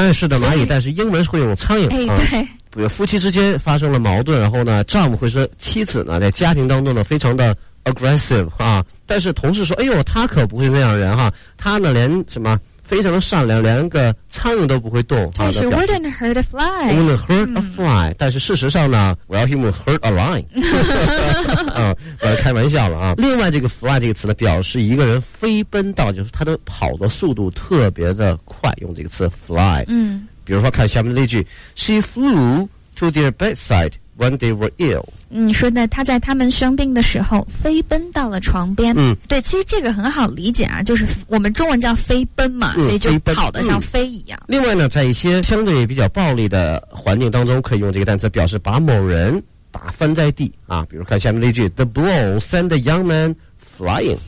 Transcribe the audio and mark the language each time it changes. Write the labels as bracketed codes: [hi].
[zh] 哎，是的，蚂蚁，但是英文会用苍蝇。对，夫妻之间发生了矛盾，然后呢，丈夫会说妻子呢在家庭当中呢非常的 aggressive 啊，但是同事说，哎呦，他可不是那样的人哈，他呢连什么非常的善良，连个苍蝇都不会动。对，是 [en] wouldn't hurt a fly。 wouldn't hurt a fly， [zh] 但是事实上呢 [en] ，well he would hurt a lion。 [zh] 我开玩笑了啊。另外，这个 fly 这个词呢，表示一个人飞奔到，就是他的跑的速度特别的快，用这个词 fly。比如说看下面的例句 [en] ，She flew to their bedside when they were ill。 [zh] 说的他在他们生病的时候飞奔到了床边。对，其实这个很好理解啊，就是我们中文叫飞奔嘛，所以就跑得像飞一样。另外呢，在一些相对比较暴力的环境当中，可以用这个单词表示把某人打翻在地啊，比如看下面那句 [en] The blow sent the young man flying，